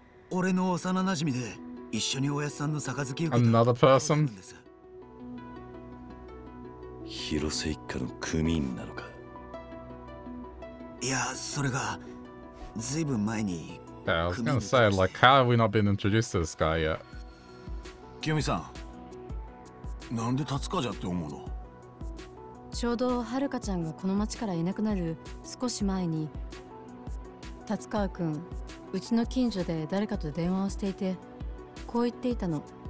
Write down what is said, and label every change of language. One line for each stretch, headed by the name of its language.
Japanese: 俺の幼馴染で一緒におやさんの杯を。
English: Another person?
Japanese: 広瀬一家の組員なのか。いや、それがずいぶん前に。
English: Yeah, I was gonna say, like, how have we not been introduced to this guy yet?
Japanese: キヨミさん、なんで立つかじゃって思うの。ちょうどハルカちゃんがこの町からいなくなる少し前に、達川君、うちの近所で誰かと電話をしていて、こう言っていたの。